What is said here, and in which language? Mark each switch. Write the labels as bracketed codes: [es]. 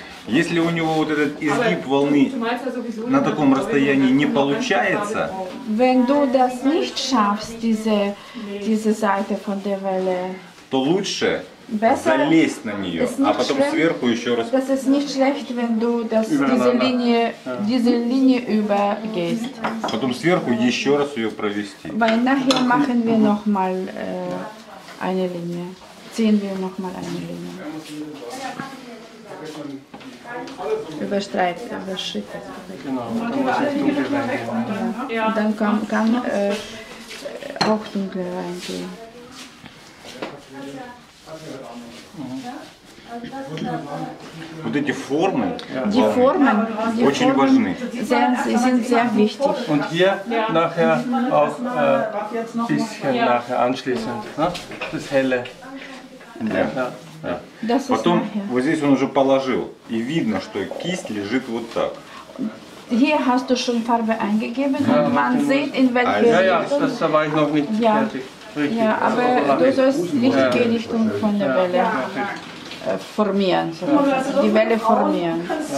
[ru] Если у него вот этот изгиб волны на таком расстоянии не получается, [de] wenn du das nicht schaffst, diese Seite von der Welle, [ru] то лучше залезть на нее, а потом сверху еще раз. [de] Das ist nicht schlecht, wenn du das, diese Linie übergehst. [ru] Потом сверху еще раз ее провести. [de] Weil nachher machen wir noch mal eine Linie. Ziehen wir noch mal eine Linie. Überstreift, überschritt. Genau. Dann kann auch dunkel reingehen. [ru] Вот эти формы, [de] die Formen, die [ru] очень [de] Formen [ru] важны. [de] Sind sehr wichtig. Und hier nachher auch ein bisschen nachher anschließend, das Helle. Ja. [ru] Да. Потом вот здесь он уже положил, и видно, что кисть лежит вот так. [de] Hier hast du schon Farbe eingegeben und man sieht in welche Richtung. Ja, das ist aber noch nicht fertig. Ja, aber du sollst nicht die Richtung von der Welle formieren, sondern die Welle formieren.